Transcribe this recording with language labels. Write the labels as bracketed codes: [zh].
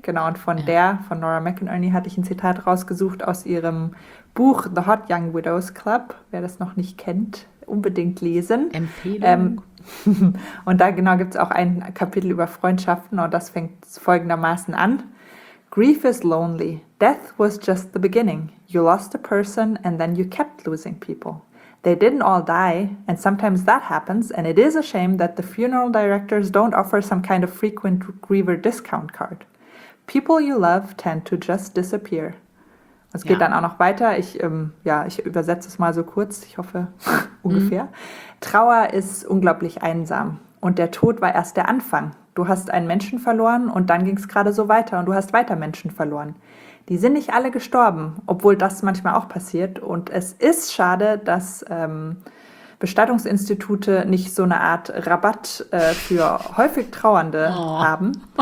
[de] Genau, und von der, von Nora McInerney, hatte ich ein Zitat rausgesucht aus ihrem Buch The Hot Young Widows Club. Wer das noch nicht kennt, unbedingt lesen. Empfehlung. Und da genau gibt es auch ein Kapitel über Freundschaften und das fängt folgendermaßen an. [en] Grief is lonely. Death was just the beginning. You lost a person and then you kept losing people. They didn't all die, and sometimes that happens, and it is a shame that the funeral directors don't offer some kind of frequent griever discount card. People you love tend to just disappear. [de] Es geht dann auch noch weiter. Ich übersetze es mal so kurz. Ich hoffe, ungefähr. Trauer ist unglaublich einsam. Und der Tod war erst der Anfang. Du hast einen Menschen verloren und dann ging es gerade so weiter und du hast weiter Menschen verloren. Die sind nicht alle gestorben, obwohl das manchmal auch passiert. Und es ist schade, dass Bestattungsinstitute nicht so eine Art Rabatt für häufig Trauernde haben.